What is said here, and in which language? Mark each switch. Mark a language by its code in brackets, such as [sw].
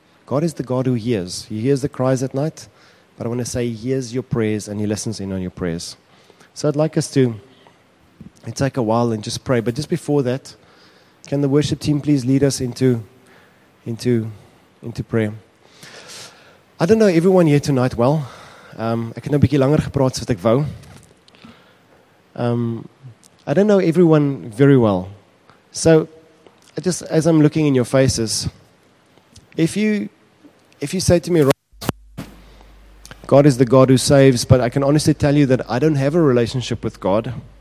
[en] God is the God who hears. He hears the cries at night, but I want to say he hears your prayers and he listens in on your prayers. So I'd like us to take a while and just pray. But just before that, can the worship team please lead us into prayer? I don't know everyone here tonight well. [af] Ek het nou 'n bietjie langer gepraat as wat ek wou. [en] I don't know everyone very well. So, just as I'm looking in your faces, if you say to me, God is the God who saves, but I can honestly tell you that I don't have a relationship with God.